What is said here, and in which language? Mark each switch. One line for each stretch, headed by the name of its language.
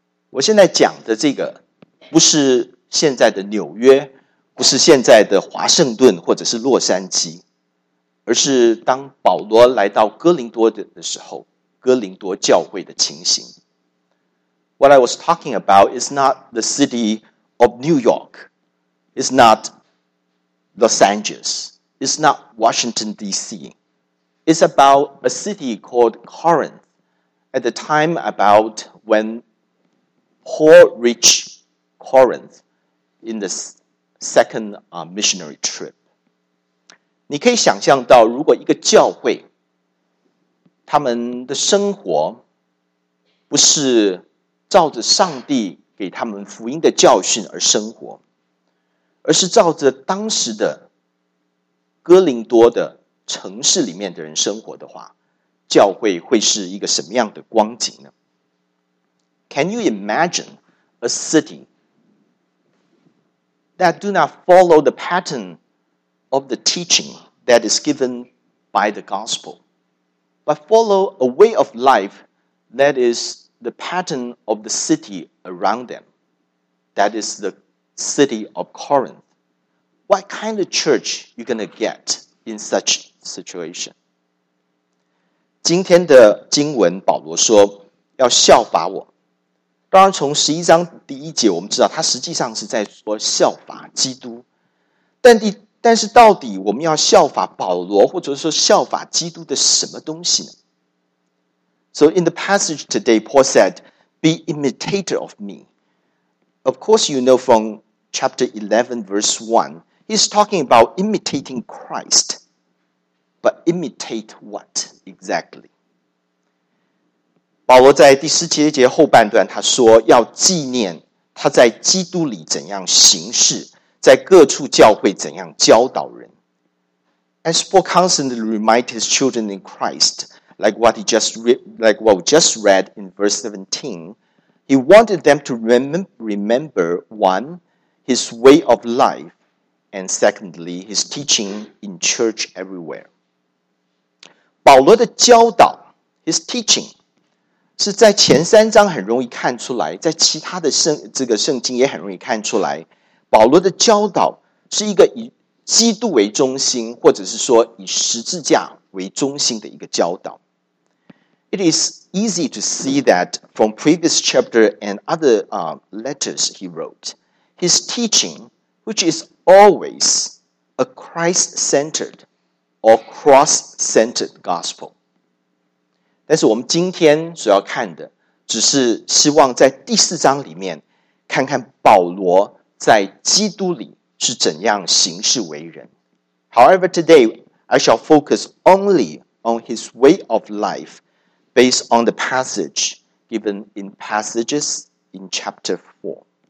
Chinese: 我现在讲的这个不是现在的纽约，不是现在的华盛顿或者是洛杉矶，而是当保罗来到哥林多的时候，哥林多教会的情形。
English: What I was talking about is not the city of New York, it's not Los Angeles, it's not Washington D.C. It's about a city called Corinth, at the time about when poor rich. Corinth in the second missionary trip.
Chinese: 你可以想象到如果一个教会他们的生活不是照着上帝给他们福音的教训而生活，而是照着当时的哥林多的城市里面的人生活的话，教会会是一个什么样的光景呢？
English: Can you imagine a cityThat do not follow the pattern of the teaching that is given by the gospel, but follow a way of life that is the pattern of the city around them, that is the city of Corinth. What kind of church are you going to get in such situation?
Chinese: 今天的经文保罗说要效法我，当然从十一章第一节我们知道他实际上是在说效法基督，但是到底我们要效法保罗或者说效法基督的什么东西呢？
English: So in the passage today, Paul said, Be imitator of me. Of course, you know from chapter 11, verse 1, he's talking about imitating Christ. But imitate what exactly?
Chinese: 保罗在第十七节后半段他说要纪念他在基督里怎样行事，在各处教会怎样教导人。
English: As Paul constantly reminds his children in Christ, like what we just read in verse 17, he wanted them to remember, one, his way of life, and secondly, his teaching in church everywhere.
Chinese: 保罗的教导
English: his teaching,
Chinese: 是在前三章很容易看出来，在其他的圣经也很容易看出来，保罗的教导是一个以基督为中心，或者是说以十字架为中心的一个教导。
English: It is easy to see that from previous chapter and other letters he wrote, his teaching, which is always a Christ-centered or cross-centered gospel.
Chinese: 但是我们今天所要看的，只是希望在第四章里面看看保罗在基督里是怎样行事为人。
English: However, today, I shall focus only on his way of life based on the passage given in passages in chapter 4.